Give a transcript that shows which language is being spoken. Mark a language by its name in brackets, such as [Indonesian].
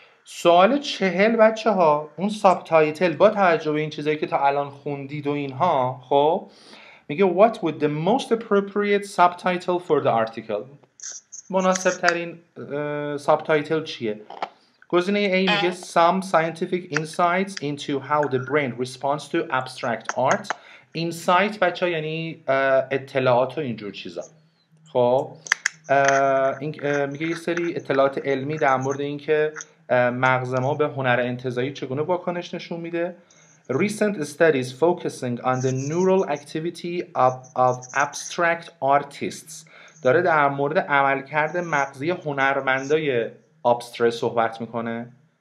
[Persian] سوال 40 بچه ها، اون ساب تایتل با توجه به این چیزایی که تا الان خوندید و اینها، خب میگه [English] what would the most appropriate subtitle for the article، [Persian] مناسب ترین ساب تایتل چیه؟ گزینه A میگه [English] some scientific insights into how the brain responds to abstract art. [Persian] insight بچه ها یعنی اطلاعات و اینجور چیزا. خب این میگه یه سری اطلاعات علمی در مورد این که مغز ما به هنر انتزاعی چگونه واکنش نشون میده. [English] Recent studies focusing on the neural activity of abstract artists. [Persian] داره در مورد عملکرد مغزی هنرمندای ابستراکت صحبت میکنه.